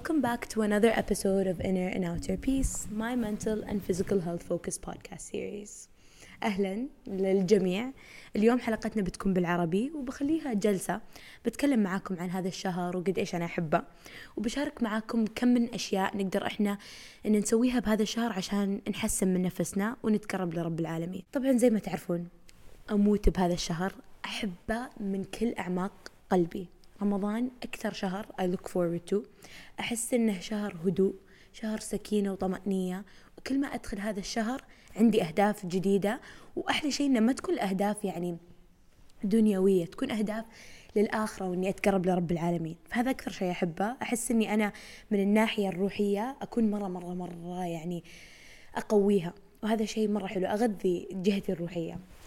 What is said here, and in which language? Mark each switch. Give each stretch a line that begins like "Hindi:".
English: back to another episode of Inner and Outer Peace, my mental and physical health focus podcast series.
Arabic: اهلا للجميع. اليوم حلقتنا بتكون بالعربي وبخليها جلسة بتكلم معاكم عن هذا الشهر وقد ايش انا احبه، وبشارك معاكم كم من اشياء نقدر احنا ان نسويها بهذا الشهر عشان نحسن من نفسنا ونتقرب لرب العالمين. طبعا زي ما تعرفون اموت بهذا الشهر، احبه من كل اعماق قلبي. رمضان أكثر شهر
English: I look forward to.
Arabic: أحس إنه شهر هدوء، شهر سكينة وطمأنينة، وكل ما أدخل هذا الشهر عندي أهداف جديدة. وأحلى شيء إنه ما تكون أهداف يعني دنيوية، تكون أهداف للآخرة وإني أتقرب لرب العالمين. فهذا أكثر شيء أحبه. أحس إني أنا من الناحية الروحية أكون مرة مرة مرة يعني أقويها، وهذا شيء مرة حلو أغذي جهتي الروحية.